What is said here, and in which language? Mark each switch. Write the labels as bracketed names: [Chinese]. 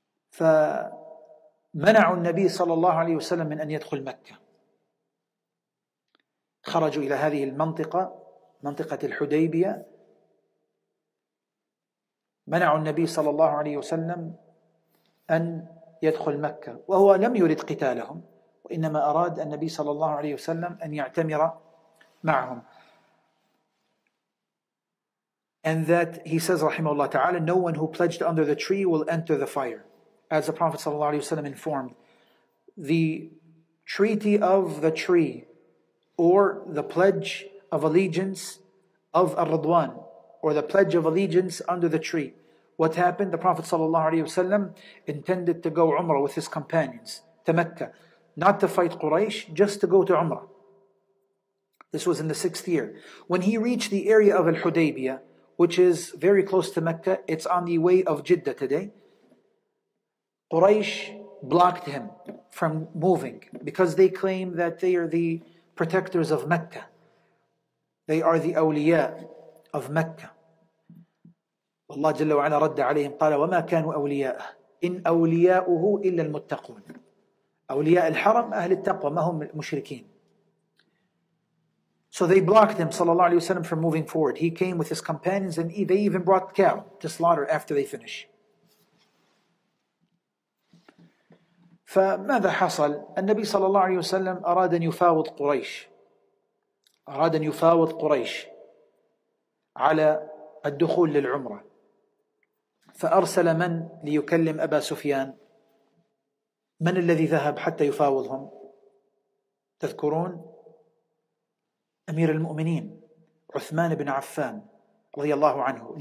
[Arabic] فمنعوا النبي صلى الله عليه وسلم من أن يدخل مكة، خرجوا إلى هذه المنطقة، منطقة الحديبية، منعوا النبي صلى الله عليه وسلم أن يدخل مكة، وهو لم يرد قتالهم، وإنما أراد النبي صلى الله عليه وسلم أن يعتمر معهم. [English] And that he says [Arabic] رحمه الله تعالى: [English] no one who pledged under the tree will enter the fire, as the Prophet [Arabic] صلى الله عليه وسلم [English] informed. The treaty of the tree or the pledge of allegiance of الرضوان or the pledge of allegiance under the tree. What happened? The Prophet ﷺ intended to go Umrah with his companions to Mecca, not to fight Quraysh, just to go to Umrah. This was in the sixth year. When he reached the area of Al-Hudaybiyah, which is very close to Mecca, it's on the way of Jeddah today, Quraysh blocked him from moving because they claim that they are the protectors of Mecca. They are the awliya of Mecca. [Arabic] الله جل وعلا رد عليهم قال: وما كانوا أولياءه إن أولياءه إلا المتقون. أولياء الحرم أهل التقوى، ما هم مشركين. [English] So they blocked him, [Arabic] sallallahu alayhi wasallam, [English] from moving forward. He came with his companions and they even brought the cow to slaughter after they finish. [Arabic] فماذا حصل؟ النبي صلى الله عليه وسلم أراد أن يفاوض قريش. أراد أن يفاوض قريش على الدخول للعمرة. فأرسل من ليكلم أبا سفيان؟ من الذي ذهب حتى يفاوضهم؟ تذكرون؟ أمير المؤمنين عثمان بن عفان رضي الله عنه.